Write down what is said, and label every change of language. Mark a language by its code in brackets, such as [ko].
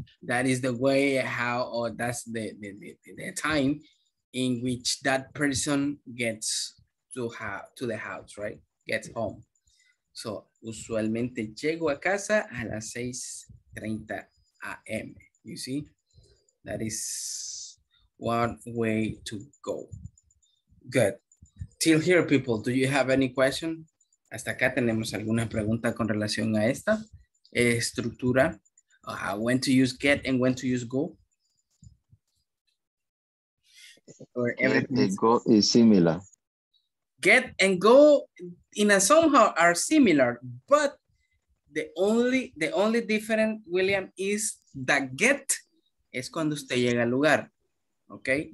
[en] That is the way how, or that's the time in which that person gets to the house, right? Gets home. [es] So, usualmente llego a casa a las 6:30 a.m. [en] You see, that is one way to go. Good. Till here, people, do you have any question? [es] Hasta acá tenemos alguna pregunta con relación a esta estructura. [en] When to use get and when to use go? Or everything go is similar. Get and go in a somehow are similar, but the only different, William, is that get [es] es cuando usted llega al lugar, [en] okay?